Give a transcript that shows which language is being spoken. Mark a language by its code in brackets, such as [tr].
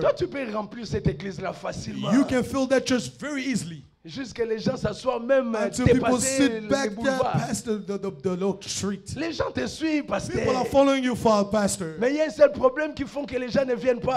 [fr] Toi, tu peux remplir cette église là facilement. [en] You can fill that church very easily. [fr] Jusque les gens s'assoient même [en] until people sit back there past the little street. [fr] Les gens te suivent, pasteur. [en] People are following you for a pastor. [fr] Mais il y a un seul problème qui font que les gens ne viennent pas.